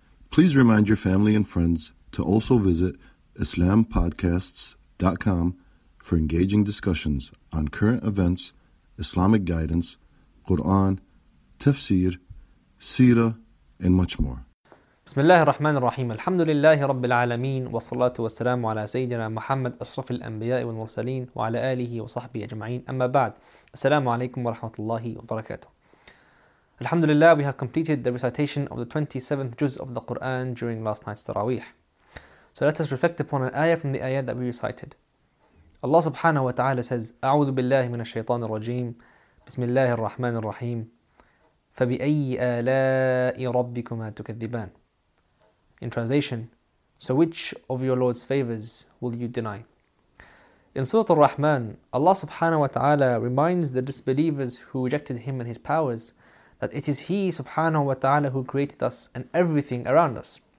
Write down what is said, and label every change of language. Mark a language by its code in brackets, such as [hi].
[en] Please remind your family and friends to also visit IslamPodcasts.com for engaging discussions on current events, Islamic guidance, Quran, tafsir, seerah, and much more. [ar] بسم الله الرحمن الرحيم الحمد لله رب العالمين والصلاة والسلام على سيدنا محمد أشرف الأنبياء والمرسلين وعلى آله وصحبه أجمعين أما بعد السلام عليكم ورحمة الله وبركاته الحمد لله [en] we have completed the recitation of the 27th juz of the Quran during last night's Taraweeh. So let us reflect upon an ayah from the ayah that we recited. Allah subhanahu wa ta'ala says [ar] أعوذ بالله من الشيطان الرجيم بسم الله الرحمن الرحيم فبأي آلاء ربكما تكذبان. [en] In translation, so which of your Lord's favours will you deny? In Surah Al-Rahman, Allah subhanahu wa ta'ala reminds the disbelievers who rejected Him and His powers that it is He subhanahu wa ta'ala who created us and everything around us.